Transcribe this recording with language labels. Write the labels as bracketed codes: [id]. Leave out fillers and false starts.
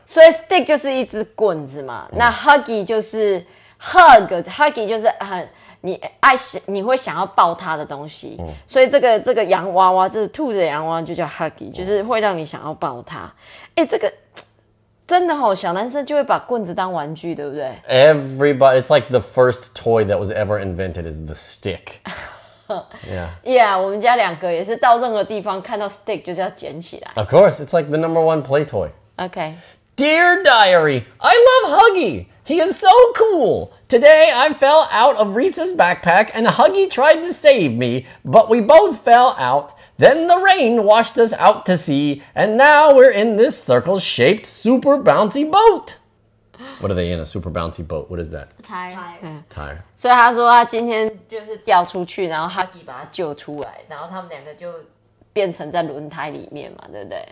[zh] So stick 就是一只棍子嘛。那 Huggie 就是 hug. Huggie 就是很你爱你会想要抱它的东西。所以这个洋娃娃，这是兔子的洋娃娃就叫 Huggie， 就是会让你想要抱它。这个真的吼，小男生就会把棍子当玩具，对不对 [en] ？Everybody, it's like the first toy that was ever invented is the stick. Yeah, [zh] 我们家两个也是到任何地方看到 stick 就是要捡起来。 [en] Of course, it's like the number one play toy. Okay. Dear Diary, I love Huggie. He is so cool. Today I fell out of Reese's backpack and Huggie tried to save me, but we both fell out. Then the rain washed us out to sea and now we're in this circle-shaped super bouncy boat. What are they in? A super bouncy boat. What is that? Tire. [zh] 所以他说他今天就是掉出去，然后 Huggie 把他救出来，然后他们两个就变成在轮胎里面嘛，对不对？